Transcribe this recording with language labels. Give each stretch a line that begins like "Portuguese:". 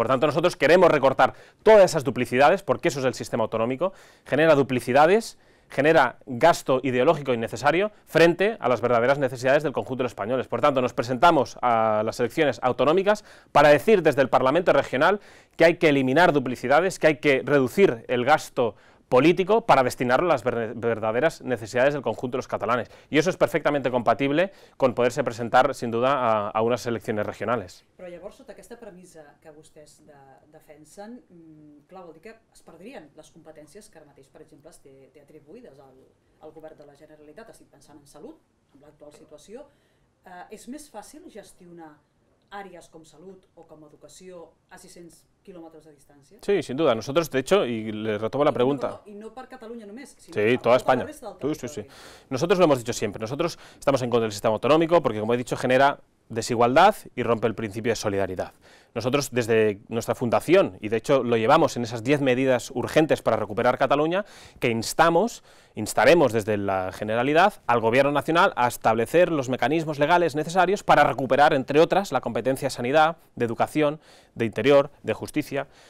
Spanish: Por tanto, nosotros queremos recortar todas esas duplicidades, porque eso es el sistema autonómico, genera duplicidades, genera gasto ideológico innecesario frente a las verdaderas necesidades del conjunto de los españoles. Por tanto, nos presentamos a las elecciones autonómicas para decir desde el Parlamento Regional que hay que eliminar duplicidades, que hay que reducir el gasto político para destinarlo a las verdaderas necesidades del conjunto de los catalanes. Y eso es perfectamente compatible con poderse presentar, sin duda, a unas elecciones regionales.
Catalan: Però llavors, sota aquesta premissa que vostès defensen, clar, vol dir que es perdrien les competències que ara mateix, per exemple, es té atribuïdes al govern de la Generalitat. Estic pensant en salut, en l'actual situació. És més fàcil gestionar àrees com salut o com educació
Spanish: a 600 kilómetros de distancia. Sí, sin duda. Nosotros, de hecho, y le retomo la pregunta. Y no para Cataluña nomás, sino sí, toda España. Sí. Nosotros lo hemos dicho siempre. Nosotros estamos en contra del sistema autonómico porque, como he dicho, genera desigualdad y rompe el principio de solidaridad. Nosotros, desde nuestra fundación, y de hecho lo llevamos en esas 10 medidas urgentes para recuperar Cataluña, que instaremos desde la Generalidad al Gobierno Nacional a establecer los mecanismos legales necesarios para recuperar, entre otras, la competencia de sanidad, de educación, de interior, de justicia.